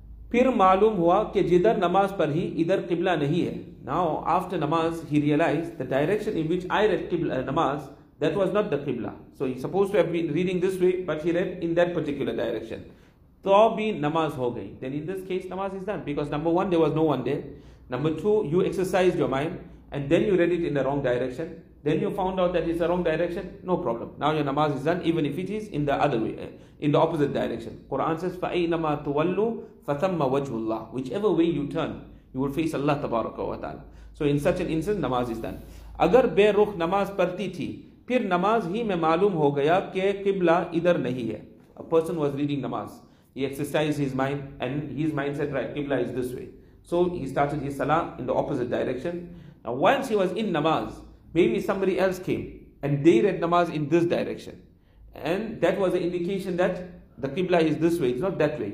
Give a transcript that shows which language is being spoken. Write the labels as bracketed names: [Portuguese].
[Urdu] پھر معلوم ہوا کہ جدھر نماز پر ہی ادھر قبلہ نہیں ہے. [English] Now after namaz he realized the direction in which I read qibla namaz, that was not the qibla. So he supposed to have been reading this way, but he read in that particular direction. [Urdu] تو بھی نماز ہو گئی. [English] Then in this case namaz is done, because number one, there was no one there. Number two, you exercised your mind and then you read it in the wrong direction. Then you found out that it's the wrong direction, no problem. Now your namaz is done, even if it is in the other way, in the opposite direction. Quran says, [Arabic] فَأَيْنَمَا تُوَلُّوا فَثَمَّ وَجْهُ اللَّهِ. [English] Whichever way you turn, you will face Allah tabaraka wa ta'ala. So in such an instance, namaz is done. [Urdu] Agar بے رخ نماز پڑھتی تھی, پھر نماز ہی میں معلوم ہو گیا کہ قبلہ ادھر نہیں ہے. [English] A person was reading namaz. He exercised his mind and his mind said, right, qibla is this way. So he started his salah in the opposite direction. Now once he was in namaz, maybe somebody else came and they read namaz in this direction. And that was an indication that the qibla is this way, it's not that way.